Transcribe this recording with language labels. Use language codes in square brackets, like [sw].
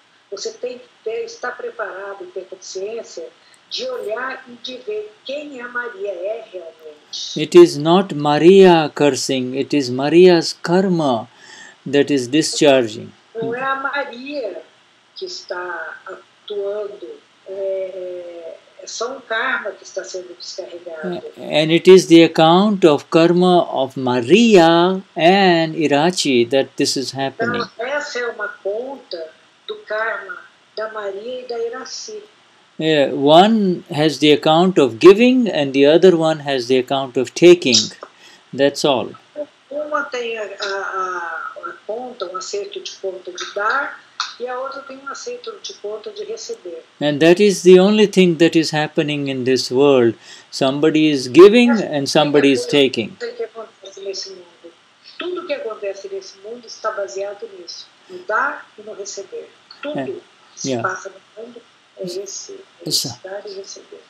[pt] Você tem que estar preparado e ter consciência de olhar e de ver quem a Maria é realmente. [en] It is not Maria cursing, it is Maria's karma that is discharging. [pt] Não é a Maria que está atuando, é só karma que está sendo descarregado. [en] And it is the account of karma of Maria and Irasi that this is happening. [pt] Então, essa é uma conta do karma da Maria e da Irasi. [en] Yeah, one has the account of giving and the other one has the account of taking. That's all. [pt] Uma tem a conta, um acerto de conta de dar, e a outra tem um acerto de conta de receber. [en] And that is the only thing that is happening in this world. Somebody is giving and somebody is taking. [pt] Tudo que acontece nesse mundo, tudo que acontece acontece nesse mundo está baseado nisso, no dar e no receber. Tudo yeah. se yeah. passa no mundo é esse, esse dar e receber.